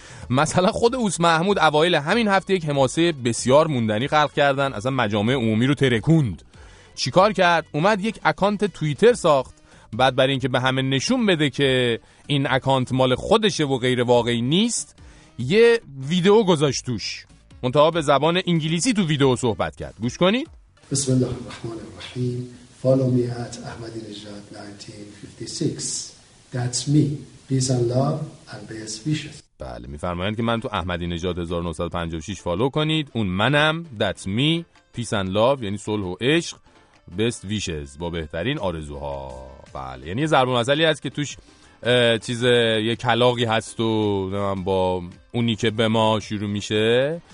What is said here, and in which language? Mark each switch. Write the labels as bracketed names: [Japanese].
[Persian] مثلا خود اوس محمود اوایل همین هفته یک حماسه بسیار موندنی خلق کردن، اصلا مجامع عمومی رو ترکوند. چیکار کرد؟ اومد یک اکانت توییتر ساخت، بعد برای اینکه به همه نشون بده که این اکانت مال خودشه و غیر واقعی نیست، یه ویدیو گذاشت توش، منتها به زبان انگلیسی تو ویدیو صحبت کرد. گوش کنید. [Arabic] بسم الله الرحمن الرحیم. [English] Follow me at Ahmadinejad 1956. That's me. Peace and love and best wishes. [Persian] بله، میفرمایند که من تو احمدی نژاد 1956 فالو کنید. اون منم. [English] That's me. Peace and love [Persian] یعنی صلح و عشق. [English] Best wishes [Persian] با بهترین آرزوها. بله، یعنی ضرب المثلی هست که توش چیز یه کلاغی هست و با اونی که به ما شروع میشه.